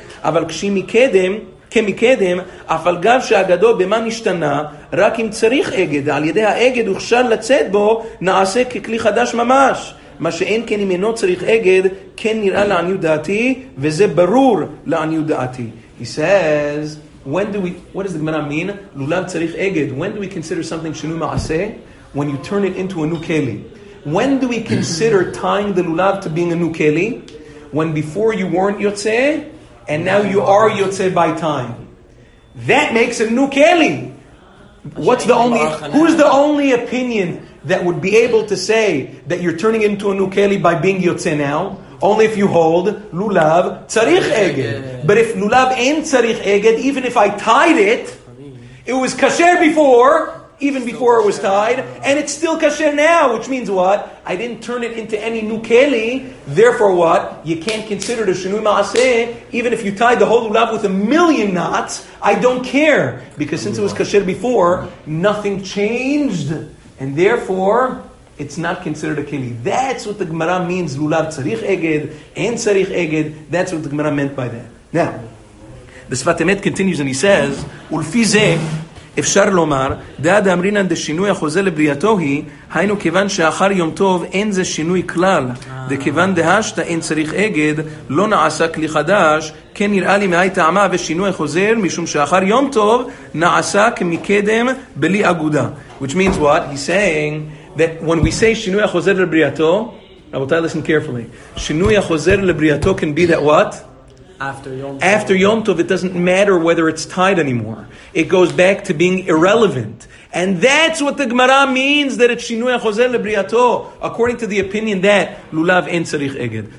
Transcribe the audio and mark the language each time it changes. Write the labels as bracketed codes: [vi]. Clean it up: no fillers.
[he] אבל כמקדם, אף על גב שהאגדו במה נשתנה, רק אם צריך אגד, על ידי האגד הוכשר לצאת בו, נעשה ככלי חדש ממש. מה שאין כן אם אינו צריך אגד, כן נראה לעניו דעתי, וזה ברור לעניו דעתי. [en] He says, what does the Gemara mean? [he] לולב צריך אגד. [en] When do we consider something שינוי מעשה? When you turn it into a new keli. When do we consider tying the לולב to being a new keli? When before you weren't יוצא, and now you are יוצא by time. That makes a new keli. What's the only, who's the only opinion that would be able to say that you're turning into a new keli by being yotze now, only if you hold lulav tzarich eged. But if lulav en tzarich eged, even if I tied it, it was kasher before, even before it was tied, and it's still kasher now, which means what? I didn't turn it into any new keli, therefore what? You can't consider the shinui ma'aseh, even if you tied the whole lulav with a million knots, I don't care. Because since it was kasher before, nothing changed. And therefore, it's not considered a keli. That's what the Gemara means. Lulav tzarich eged, en tzarich eged. That's what the Gemara meant by that. Now, the Sfat Emet continues and he says, [he] ולפי זה אפשר לומר, דעד אמרינן דשינוי החוזה לבריאתו היא, היינו כיוון שאחר יום טוב אין זה שינוי כלל. דכיוון דהשת אין צריך אגד, לא נעשה כלי חדש, כן נראה לי מהי טעמה ושינוי חוזר, משום שאחר יום טוב נעשה כמקדם בלי אגודה. [en] Which means what? He's saying that when we say [he] שינוי החוזר לבריאתו, [en] I will tell you, listen carefully. [he] שינוי החוזר לבריאתו [en] can be that what? After Yom Tov, it doesn't matter whether it's tied anymore. It goes back to being irrelevant. And that's what the Gemara means, that it's Shinui HaChozer LeBriyato, according to the opinion that Lulav En Tzarich Eged.